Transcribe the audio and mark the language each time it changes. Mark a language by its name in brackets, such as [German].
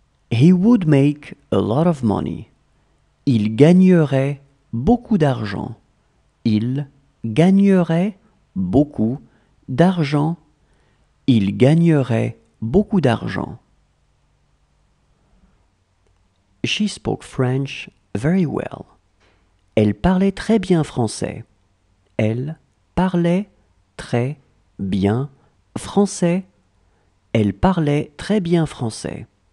[English] He would make a lot of money. [French] Il gagnerait beaucoup d'argent. Il gagnerait beaucoup d'argent. Il gagnerait beaucoup d'argent. [English] She spoke French very well. [French] Elle parlait très bien français. Elle parlait très bien français. Elle parlait très bien français.